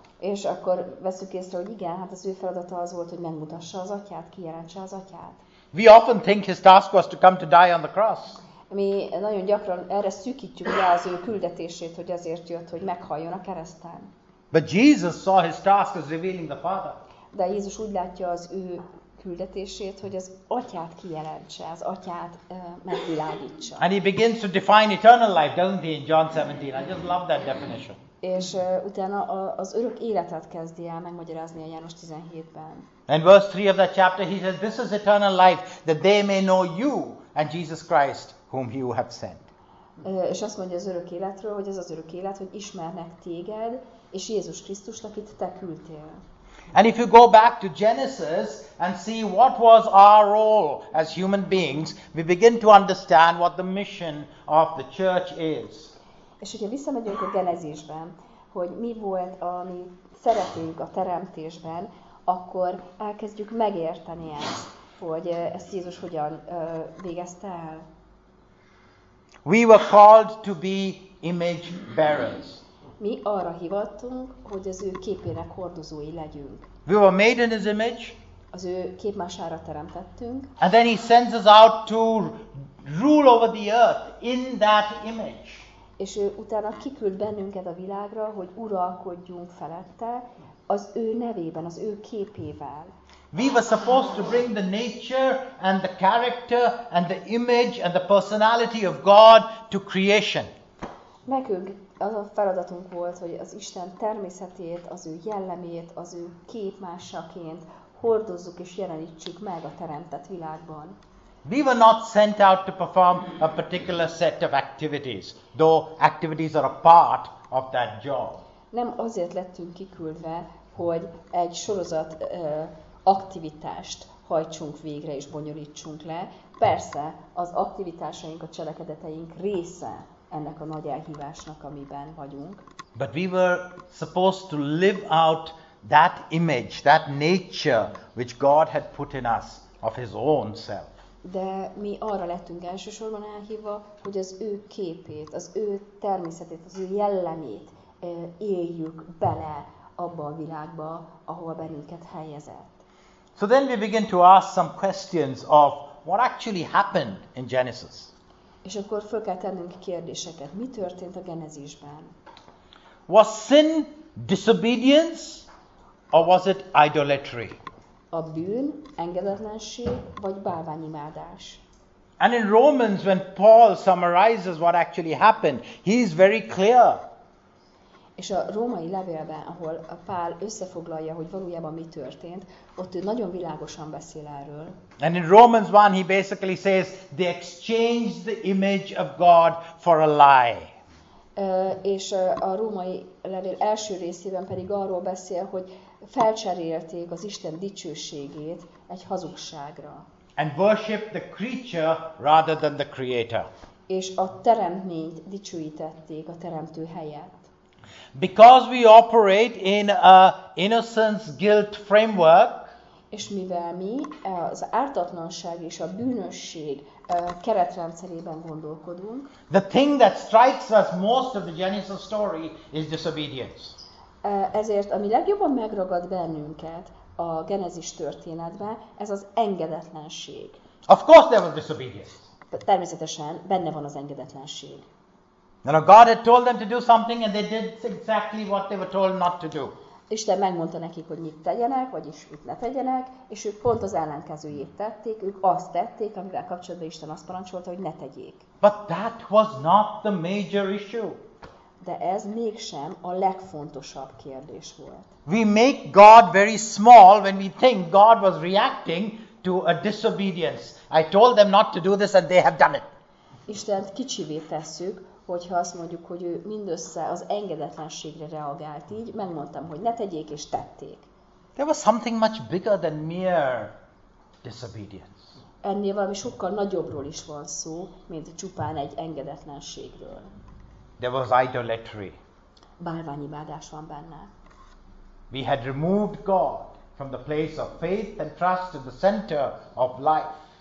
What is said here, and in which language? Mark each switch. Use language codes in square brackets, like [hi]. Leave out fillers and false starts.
[hu] És akkor veszük észre, hogy igen, hát az ő feladata az volt, hogy megmutassa az Atyát, kijelentse az Atyát. [en] We often think his task was to come to die on the cross. [hu] Mi nagyon gyakran erre szűkítjük le az ő küldetését, hogy azért jött, hogy meghaljon a kereszten. [en] But Jesus saw his task as revealing the Father. [hu] De Jézus úgy látja az ő küldetését, hogy az Atyát kijelentse, az Atyát megvilágítsa. [en] And he begins to define eternal life, doesn't he, in John 17? I just love that definition. [hu] És utána az örök életet kezdi el megmagyarázni a János 17-ben. [en] And verse 3 of that chapter, he says, this is eternal life, that they may know you and Jesus Christ, whom you have sent. [hu] És azt mondja az örök életről, hogy ez az örök élet, hogy ismernek téged, és Jézus Krisztust, akit te küldtél. [en] And if you go back to Genesis and see what was our role as human beings, we begin to understand what the mission of the church is. [hu] És hogyha visszamegyünk a Genezisben, hogy mi volt a mi szerepünk a teremtésben, akkor elkezdjük megérteni ezt, hogy ezt Jézus hogyan végezte el. [en] We were called to be image bearers. [hu] Mi arra hivatunk, hogy az ő képének hordozói legyünk. [en] We were made in his image. [hu] Az ő képmására teremtettünk. [en] And then he sends us out to rule over the earth in that image. [hu] És ő utána kiküld bennünket a világra, hogy uralkodjunk felette az ő nevében, az ő képével. [en] We were supposed to bring the nature and the character and the image and the personality of God to creation. [hu] Nekünk az a feladatunk volt, hogy az Isten természetét, az ő jellemét, az ő képmásaként hordozzuk és jelenítsük meg a teremtett világban. [en] We were not sent out to perform a particular set of activities, though activities are a part of that job. [hu] Nem azért lettünk kiküldve, hogy egy sorozat aktivitást hajtsunk végre és bonyolítsunk le. Persze, az aktivitásaink, a cselekedeteink része ennek a nagy elhívásnak, amiben vagyunk. [en] But we were supposed to live out that image, that nature, which God had put in us of his own self. [hu] De mi arra lettünk elsősorban elhívva, hogy az ő képét, az ő természetét, az ő jellemét éljük bele abba a világba, ahol bennünket helyezett. [en] So then we begin to ask some questions of what actually happened in Genesis. [hu] És akkor fel kell tennünk kérdéseket. Mi történt a Genezisben? [en] Was sin disobedience or was it idolatry? [hu] A bűn engedetlenség vagy bálványimádás? [en] And in Romans when Paul summarizes what actually happened, he is very clear. [hu] És a római levélben, ahol a Pál összefoglalja, hogy valójában mi történt, ott ő nagyon világosan beszél erről. [en] And in Romans 1 he basically says they exchanged the image of God for a lie. [hu] És a római levél első részében pedig arról beszél, hogy felcserélték az Isten dicsőségét egy hazugságra. [en] And worship the creature rather than the creator. [hu] És a teremtményt dicsőítették a teremtő helyett. [en] Because we operate in a innocence guilt framework. [hu] És mivel mi az ártatlanság és a bűnösség keretrendszerében gondolkodunk. [en] The thing that strikes us most of the Genesis story is disobedience. [hu] Ezért ami legjobban megragad bennünket a Genesis történetben, ez az engedetlenség. [en] Of course there was disobedience. [hu] Természetesen benne van az engedetlenség. [en] Now God had told them to do something and they did exactly what they were told not to do. [hu] Isten megmondta nekik, hogy mit tegyenek, vagyis mit ne tegyenek, és ők pont az ellenkezőjét tették, ők azt tették, amivel kapcsolatban Isten azt parancsolta, hogy ne tegyék. [en] But that was not the major issue. [hu] De ez mégsem a legfontosabb kérdés volt. [en] We make God very small when we think God was reacting to a disobedience. I told them not to do this and they have done it. [hu] Istent kicsivé tesszük, hogyha azt mondjuk, hogy ő mindössze az engedetlenségre reagált így, megmondtam, hogy ne tegyék, és tették. [en] There was something much bigger than mere disobedience. [hu] Ennél valami sokkal nagyobbról is van szó, mint csupán egy engedetlenségről. [en] There was idolatry. [hu] Bálványimádás van benne. [en] We had removed God from the place of faith and trust to the center of life.